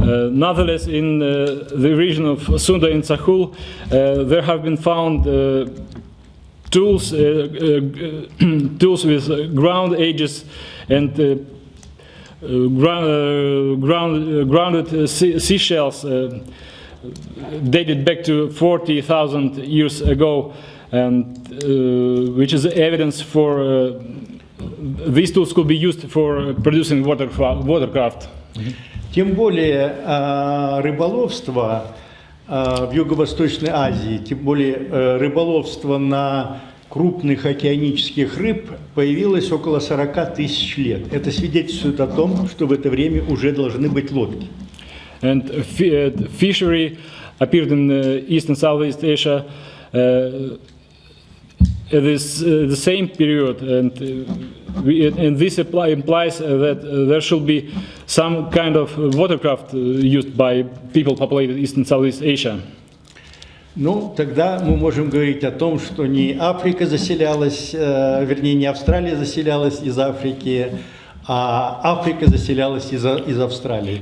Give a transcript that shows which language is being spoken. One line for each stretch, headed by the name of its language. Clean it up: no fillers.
English: Nonetheless, in the region of Sunda and Sahul, there have been found tools with ground ages and grounded seashells dated back to 40,000 years ago, and which is evidence for these tools could be used for producing watercraft.
Russian: Тем более рыболовство в Юго-Восточной Азии, тем более рыболовство на крупных океанических рыб появилось около 40 тысяч лет. Это свидетельствует о том, что в это время уже должны быть лодки.
English: And fishery appeared in East and Southeast Asia the same period, and this implies that there should be some kind of watercraft used by people populated East and Southeast Asia.
Russian: Ну, тогда мы можем говорить о том, что не Африка заселялась, вернее, не Австралия заселялась из Африки, а Африка заселялась из Австралии.